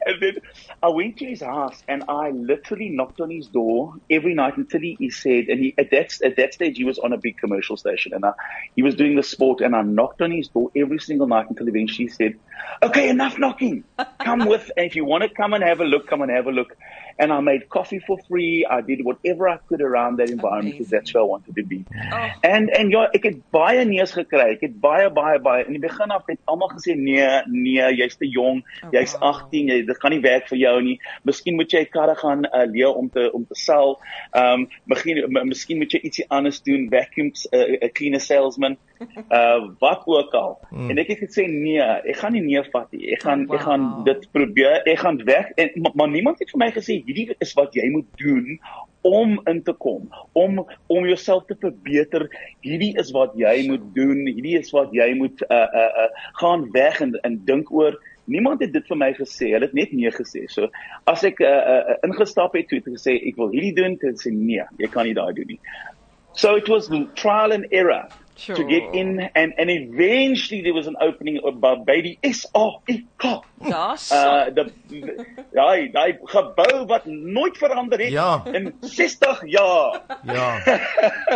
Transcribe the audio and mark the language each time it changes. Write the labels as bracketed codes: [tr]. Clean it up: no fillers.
[en] And then I went to his house and I literally knocked on his door every night until he said, and at that stage he was on a big commercial station and he was doing the sport, and I knocked on his door every single night until eventually he said, okay, enough knocking. Come with, and if you want to come and have a look. And I made coffee for free. I did whatever I could around that environment because that's where I wanted to be. Oh. [af] And ja, ek het baie nee's gekry. Ek het baie. In die begin af het almal gesê, nee, jy's te jong. Oh, jy's 18, wow. Dit gaan nie werk vir jou nie. Miskien moet jy karre gaan leer om te sell. Miskien moet jy ietsie anders doen. [en] Vacuums, a cleaner salesman. [af] Wat ook al. Mm. En ek het gesê, nee, ek gaan nie nee vat nie. Ek gaan dit probeer. Ek gaan weg. Maar niemand het vir my gesê, hierdie is wat jy moet doen om in te kom, om jouself te verbeter. Hierdie is wat jy moet doen. Hierdie is wat jy moet gaan weg en dink oor. Niemand het dit vir my gesê. Hulle het net nee gesê. So as ek ingestap het, toe het gesê ek wil hierdie doen, toe sê nee, jy kan nie daai doen nie. [en] So it was trial and error. Sure. To get in, and eventually there was an opening above baby SAEK. [af] Die gebou wat nooit verander het, ja. In 60 jaar. Ja.